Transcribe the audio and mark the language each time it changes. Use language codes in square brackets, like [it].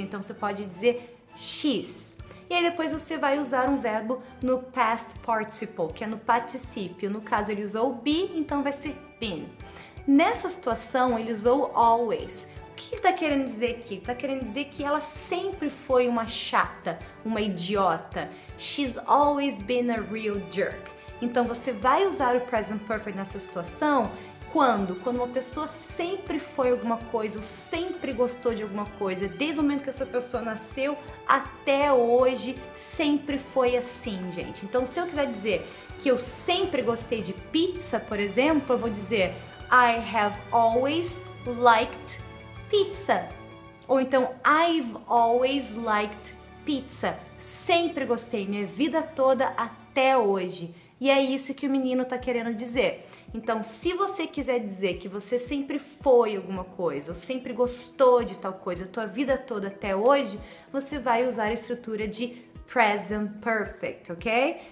[pt] Então, você pode dizer she's. E aí, depois você vai usar um verbo no past participle, que é no particípio. No caso, ele usou be, então vai ser been. Nessa situação, ele usou always. O que ele está querendo dizer aqui? Ele está querendo dizer que ela sempre foi uma chata, uma idiota. [en] She's always been a real jerk. [pt] Então, você vai usar o present perfect nessa situação. Quando? Quando uma pessoa sempre foi alguma coisa ou sempre gostou de alguma coisa, desde o momento que essa pessoa nasceu até hoje, sempre foi assim, gente. Então, se eu quiser dizer que eu sempre gostei de pizza, por exemplo, eu vou dizer [en] I have always liked pizza. [pt] Ou então [en] I've always liked pizza. [pt] Sempre gostei, minha vida toda até hoje. E é isso que o menino está querendo dizer. Então, se você quiser dizer que você sempre foi alguma coisa, ou sempre gostou de tal coisa, tua vida toda até hoje, você vai usar a estrutura de present perfect, ok?